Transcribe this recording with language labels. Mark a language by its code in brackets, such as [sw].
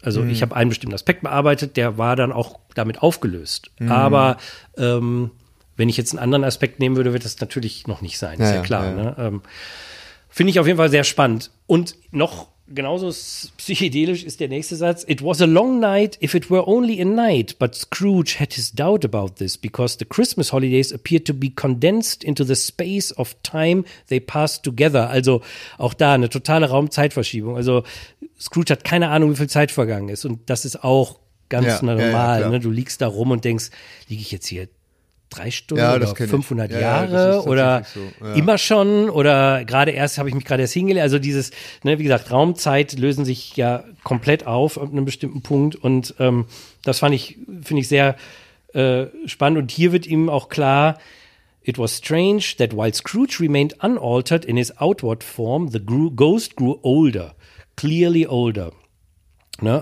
[de] Also ich habe einen bestimmten Aspekt bearbeitet, der war dann auch damit aufgelöst. Aber Wenn ich jetzt einen anderen Aspekt nehmen würde, wird das natürlich noch nicht sein, ist ja, ja klar. Ja. Ne? Finde ich auf jeden Fall sehr spannend. Und noch genauso psychedelisch ist der nächste Satz. [en] It was a long night if it were only a night, but Scrooge had his doubt about this, because the Christmas holidays appeared to be condensed into the space of time they passed together. [de] Also auch da eine totale Raumzeitverschiebung. Also Scrooge hat keine Ahnung, wie viel Zeit vergangen ist. Und das ist auch ganz normal. Ja, ne? Du liegst da rum und denkst, liege ich jetzt hier 3 Stunden oder 500 Jahre oder immer schon oder gerade erst habe ich mich gerade erst hingelegt. Also dieses, ne, wie gesagt, Raumzeit lösen sich ja komplett auf an einem bestimmten Punkt und das finde ich sehr spannend und hier wird ihm auch klar, [en] it was strange that while Scrooge remained unaltered in his outward form, the ghost grew older, clearly older. [de] Ne?